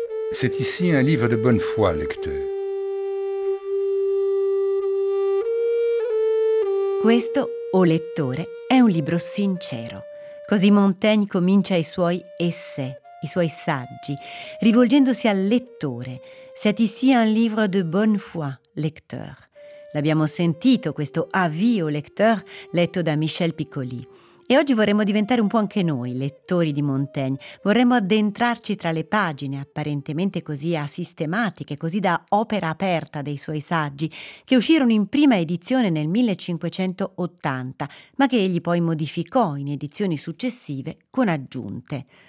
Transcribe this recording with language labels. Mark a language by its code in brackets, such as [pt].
[fr] C'est ici un livre de bonne foi, lecteur. [it] Questo, o lettore, è un libro sincero. Così Montaigne comincia i suoi essai, i suoi saggi, rivolgendosi al lettore. [fr] C'est ici un livre de bonne foi, lecteur. [it] L'abbiamo sentito, questo [fr] avis au lecteur, [it] letto da Michel Piccoli. E oggi vorremmo diventare un po' anche noi, lettori di Montaigne. Vorremmo addentrarci tra le pagine, apparentemente così asistematiche, così da opera aperta dei suoi saggi, che uscirono in prima edizione nel 1580, ma che egli poi modificò in edizioni successive con aggiunte.